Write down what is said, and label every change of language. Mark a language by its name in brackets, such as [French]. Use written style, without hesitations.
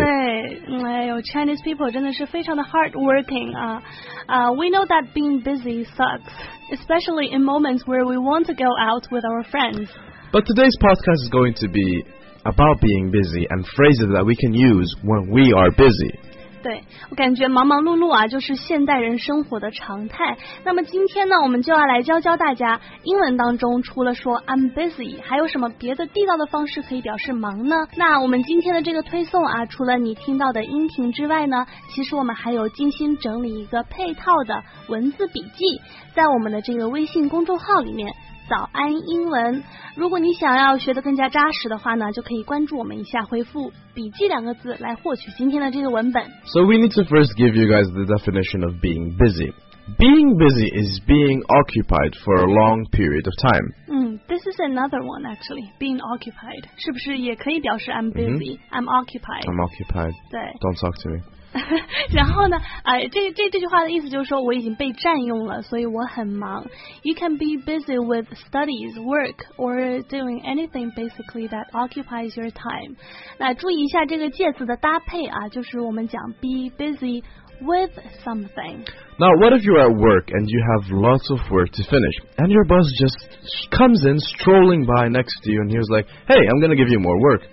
[Chinese] 对，哎呦， [English] Chinese people [Chinese] 真的是非常的 hardworking 啊。 [English] We know that being busy sucks, especially in moments where we want to go out with our friends. But today's podcast is going to be about being busy and phrases that we can use when we are busy. [Chinese] 对，我感觉忙忙碌碌啊，就是现代人生活的常态。那么今天呢，我们就要来教教大家，英文当中除了说 [English] I'm busy， [Chinese] 还有什么别的地道的方式可以表示忙呢？那我们今天的这个推送啊，除了你听到的音频之外呢，其实我们还有精心整理一个配套的文字笔记，在我们的这个微信公众号里面。早安英文，如果你想要学得更加扎实的话呢，就可以关注我们一下，回复笔记两个字来获取今天的这个文本。 [English] So we need to first give you guys the definition of being busy. Being busy is being occupied for a long period of time. This is another one actually, being occupied. [Chinese] 是不是也可以表示 [English] I'm busy,、mm-hmm. I'm occupied. 对。 Don't talk to me. [Chinese] 然后呢、这句话的意思就是说我已经被占用了，所以我很忙。 [English] You can be busy with studies, work, or doing anything basically that occupies your time. [Chinese] 那注意一下这个介词的搭配啊，就是我们讲 [English] be busy with something. Now, what if you're at work and you have lots of work to finish, and your boss just comes in strolling by next to you and he was like, hey, I'm going to give you more work.